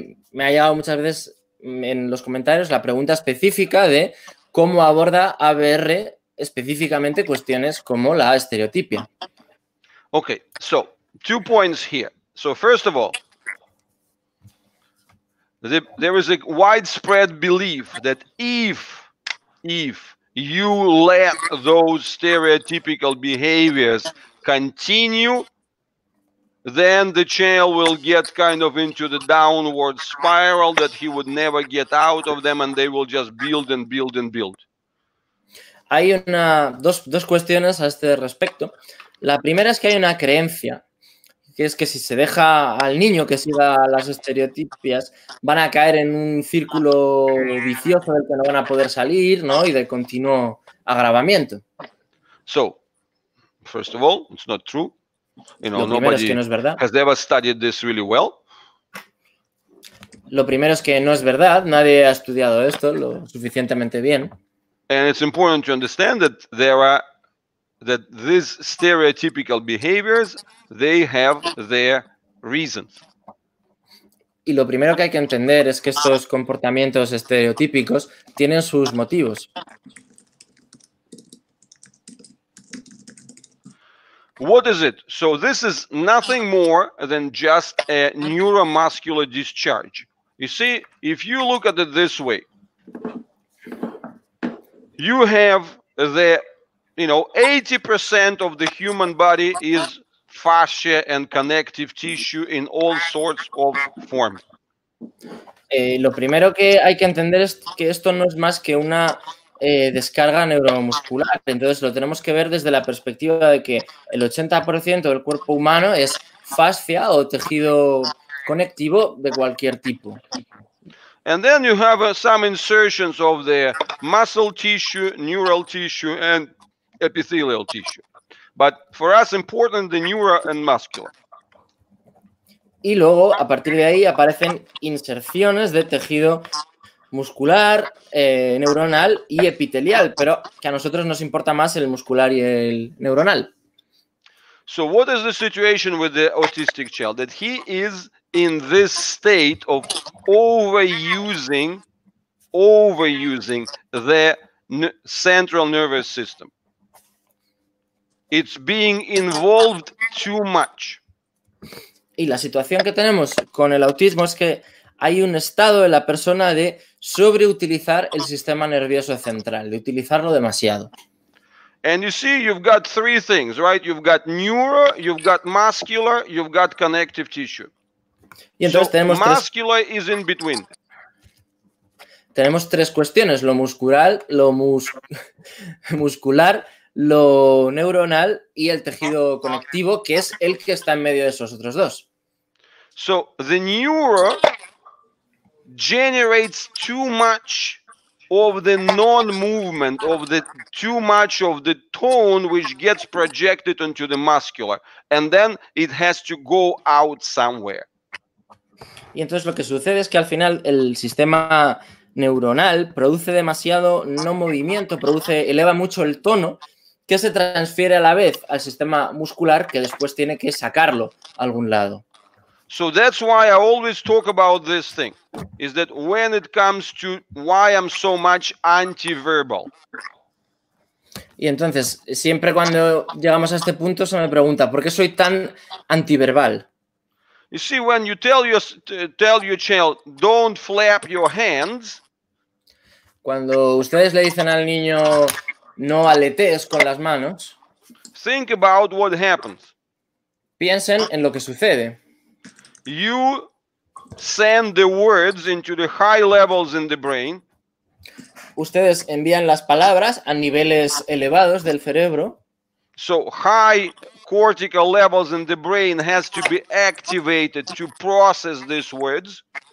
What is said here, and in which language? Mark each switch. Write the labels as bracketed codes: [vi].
[es] Me ha llegado muchas veces en los comentarios la pregunta específica de cómo aborda ABR específicamente cuestiones como la estereotipia. [en] Okay. So, 2 points here. So, first of all, there is a widespread belief that if you let those stereotypical behaviors continue, then the child will get kind of into the downward spiral that he would never get out of them, and they will just build and build and build. [es] Hay dos cuestiones a este respecto. La primera es que hay una creencia, que es que si se deja al niño que siga las estereotipias, van a caer en un círculo vicioso del que no van a poder salir, ¿no?, y de continuo agravamiento. [en] So, first of all, it's not true. You know, [es] lo primero es que no es verdad. [en] Has ever studied this really well? [es] lo primero es que no es verdad, nadie ha estudiado esto lo suficientemente bien. [en] And it's important to understand that there are that these stereotypical behaviors, they have their reasons. [es] Y lo primero que hay que entender es que estos comportamientos estereotípicos tienen sus motivos. [en] What is it? So this is nothing more than just a neuromuscular discharge. You see, if you look at it this way, you have the, you know, 80% of the human body is fascia and connective tissue in all sorts of forms. [es] Lo primero que hay que entender es que esto no es más que una descarga neuromuscular. Entonces lo tenemos que ver desde la perspectiva de que el 80% del cuerpo humano es fascia o tejido conectivo de cualquier tipo. [en] And then you have some insertions of the muscle tissue, neural tissue and epithelial tissue. But for us important the neural and muscular. [es] Y luego a partir de ahí aparecen inserciones de tejido muscular, neuronal y epitelial, pero que a nosotros nos importa más el muscular y el neuronal. [en] So what is the situation with the autistic child? That he is in this state of overusing the central nervous system. It's being involved too much. [es] Y la situación que tenemos con el autismo es que hay un estado de la persona de sobreutilizar el sistema nervioso central, de utilizarlo demasiado. [en] And you see, you've got three things, right? You've got neuro, you've got muscular, you've got connective tissue. [es] Y entonces [en] so [es] tenemos muscular tres... [en] is in between. [es] Tenemos tres cuestiones, lo muscular, lo muscular, lo neuronal y el tejido conectivo, que es el que está en medio de esos otros dos. [en] So, the neuro generates too much of the non-movement, of the too much of the tone which gets projected into the muscular, and then it has to go out somewhere. [es] Y entonces lo que sucede es que al final el sistema neuronal produce demasiado no movimiento, produce, eleva mucho el tono, que se transfiere a la vez al sistema muscular, que después tiene que sacarlo a algún lado. [en] So that's why I always talk about this thing, is that when it comes to why I'm so much anti-verbal. [es] Y entonces, siempre cuando llegamos a este punto se me pregunta, ¿por qué soy tan anti-verbal? [en] You see, when you tell your child, don't flap your hands. [es] Cuando ustedes le dicen al niño, no aletees con las manos. [en] Think about what happens. [es] Piensen en lo que sucede. [en] You send the words into the high levels in the brain. [es] Ustedes envían las palabras a niveles elevados del cerebro. [en] So high cortical levels in the brain has to be activated to process these words.